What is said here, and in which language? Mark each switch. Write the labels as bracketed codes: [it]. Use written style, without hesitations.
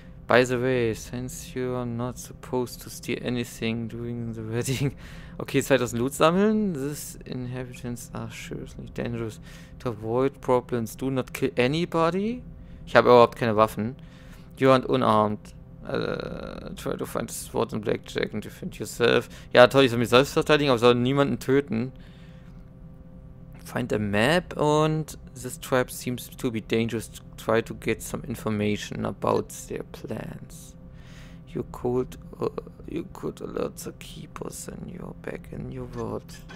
[en] By the way, since you're not supposed to steal anything during the wedding. Okay, 2000 Loot sammeln. These inhabitants are seriously dangerous. To avoid problems, do not kill anybody. [de] Ich habe überhaupt keine Waffen. [en] You aren't unarmed. Try to find the sword in Blackjack and defend yourself. [de] Ja, toll, ich soll mich selbst verteidigen, aber soll niemanden töten. [en] Find a map and this tribe seems to be dangerous. Try to get some information about their plans. You could alert the keepers and you're back in your world.